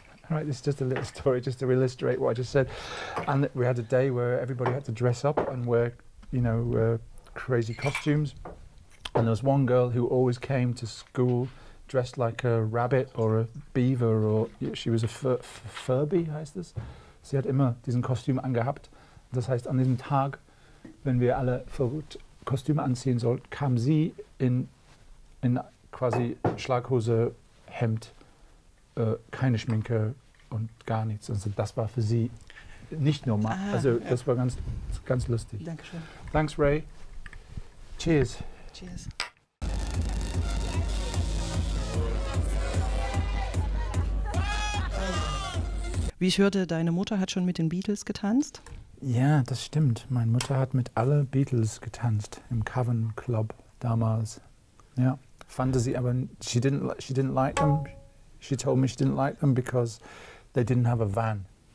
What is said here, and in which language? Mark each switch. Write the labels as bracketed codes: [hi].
[en] All right, this is just a little story just to illustrate what I just said. And we had a day where everybody had to dress up and wear, you know, crazy costumes. And there was one girl who always came to school dressed like a rabbit or a beaver, or she was a Furby, [de] heißt das? Sie hat immer diesen Kostüm angehabt. Das heißt, an diesem Tag, wenn wir alle Kostüme anziehen sollten, kam sie in quasi Schlaghose, Hemd, keine Schminke und gar nichts. Also das war für sie nicht normal. Also das war ganz, ganz lustig. Dankeschön. [en] Thanks, Ray. Cheers. Cheers. [de] Wie ich hörte, deine Mutter hat schon mit den Beatles getanzt. Ja, das stimmt. Meine Mutter hat mit allen Beatles getanzt im Cavern Club damals. Ja, fand sie aber, [en] she didn't like them. She told me she didn't like them because they didn't have a van.